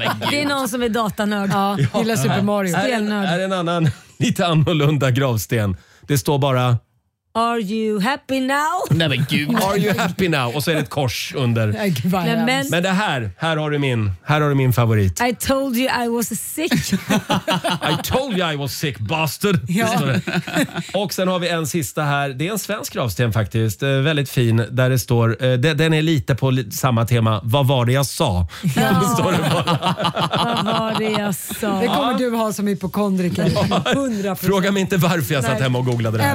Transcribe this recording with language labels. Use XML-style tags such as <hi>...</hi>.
<sv>Det är någon som är datanörd. Ja, gillar Super Mario. Är en annan lite annorlunda gravsten. Det står bara</sv> <en>"Are you happy now?"</en> <sv>Nej men gud.</sv> <en>"Are you happy now?"</en> <sv>Och så är det ett kors under. Men det här, här har du min favorit.</sv> <en>"I told you I was sick." "I told you I was sick, bastard."</en> <sv>Ja. Och sen har vi en sista här. Det är en svensk gravsten faktiskt. Väldigt fin, där det står, den är lite på samma tema. "Vad var det jag sa?" Ja. Står det bara. "Vad var det jag sa?" Det kommer du ha som hypokondriker. Ja. Fråga mig inte varför jag satt hemma och googlade det här.</sv>